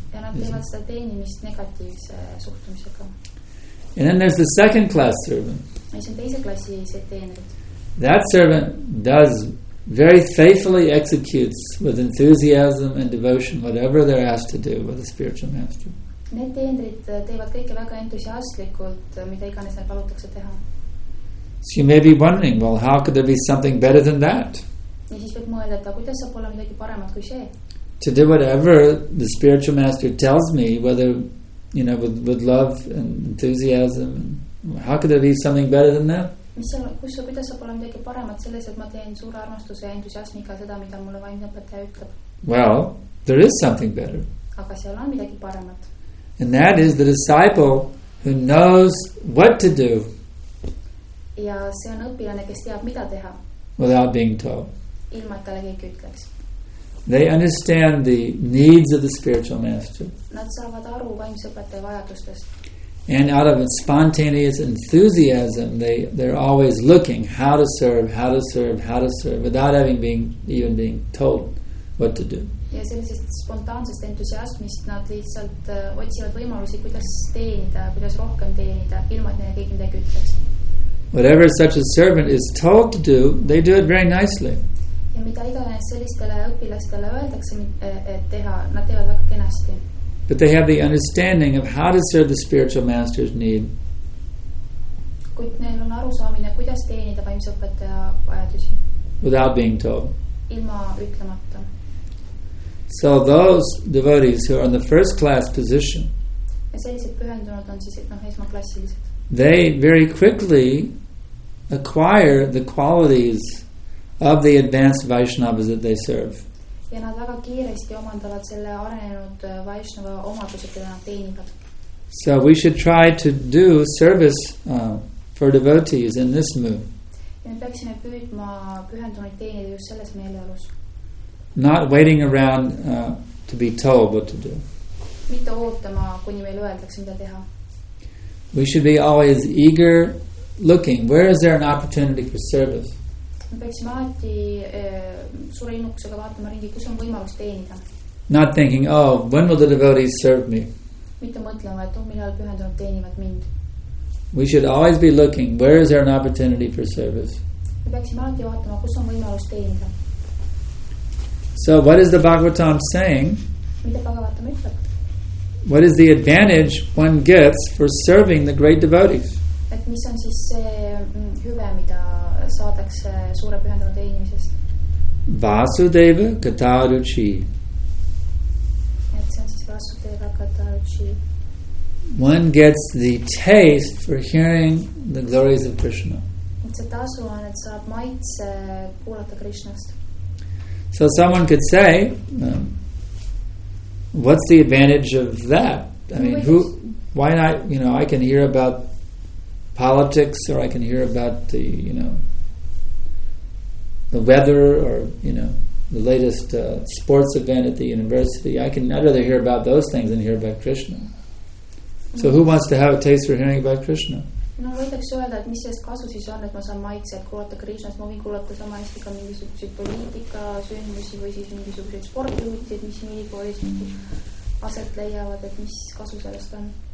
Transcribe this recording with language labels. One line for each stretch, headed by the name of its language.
English: And then there's the second class servant. That servant does very faithfully executes with enthusiasm and devotion whatever they're asked to do with a spiritual master.
Estonian: Need teendrid teevad kõike väga entusiastlikult, mida iganes neil palutakse teha.
English: So you may be wondering, well, how could there be something better than that?
Estonian: Ja siis võib mõelda, et kuidas saab olla midagi paremat kui see?
English: To do whatever the spiritual master tells me, whether, you know, with love and enthusiasm, how could there be something better than that?
Estonian: Kuidas saab olla midagi paremat selles, et ma teen suure armastuse ja entusiasmiga seda, mida mulle vaimne õpetaja ütleb?
English: Well, there is something better.
Estonian: Aga seal on midagi paremat.
English: And that is the disciple who knows what to do.
Estonian: Ja see on õpilane, kes teab, mida teha.
English: Without being told.
Estonian: Ilma, et tale keegi ütleks.
English: They understand the needs of the spiritual master.
Estonian: Nad saavad aru vaimse õpetaja vajadustest.
English: And out of spontaneous enthusiasm, they're always looking how to serve, how to serve, how to serve, without having being told what to do.
Estonian: Ja sellisest spontaansest entusiasmist nad lihtsalt otsivad võimalusi, kuidas teenida, kuidas rohkem teenida, ilma et neile keegi midagi ütleks.
English: Whatever such a servant is told to do, they do it very nicely.
Estonian: Ja mida iganes sellistele õpilastele öeldakse, et teha, nad teevad väga kenasti.
English: But they have the understanding of how to serve the spiritual master's need.
Estonian: Kuid neil on arusaamine, kuidas teenida vaimse õpetaja vajadusi.
English: Without being told.
Estonian: Ilma ütlemata.
English: So those devotees who are in the first class position,
Estonian: ja sellised pühendunud on siis, esmaklassilised.
English: They very quickly acquire the qualities of the advanced Vaishnavas that they serve.
Estonian: Ja nad väga kiiresti omandavad selle arenenud Vaishnava omadused, keda nad teenivad.
English: So we should try to do service for devotees in this mood.
Estonian: Ja me peaksime püüdma pühendunud teenida just selles meeleolus.
English: Not waiting around to be told what to do.
Estonian: Mitte ootama, kuni meil öeldakse, mida teha.
English: We should be always eager looking. Where is there an opportunity for service?
Estonian: Me peaksime alati suure innuksega vaatama ringi, kus on võimalus teenida.
English: Not thinking, oh, when will the devotees serve me?
Estonian: Mitte mõtlema, et millal pühendunud teenivad mind.
English: We should always be looking. Where is there an opportunity for service?
Estonian: Me peaksime alati vaatama, kus on võimalus teenida.
English: So what is the Bhagavatam saying?
Estonian: Mida Bhagavatam ütleb?
English: What is the advantage one gets for serving the great devotees?
Estonian: Et mis on siis see hüve, mida saadakse suure pühendunud teenimisest?
Sanskrit: Vasudeva Kataruchi.
Estonian: Et see on siis Vasudeva Kataruchi.
English: One gets the taste for hearing the glories of Krishna.
Estonian: Et see tasu on, et saab maitse kuulata Krishnast.
English: So someone could say, what's the advantage of that? I mean, why not, I can hear about politics, or I can hear about the weather, or, the latest sports event at the university. I'd rather hear about those things than hear about Krishna. So who wants to have a taste for hearing about Krishna?
Estonian: No võidaks öelda, et mis sellest kasu siis on, et ma saan maitselt kuulata Krishnast. Ma võin kuulata sama hästi ka mingisuguseid poliitika sündmusi või siis mingisuguseid sportjuhtid, mis ülikoolis aset leiavad, et mis kasu sellest on.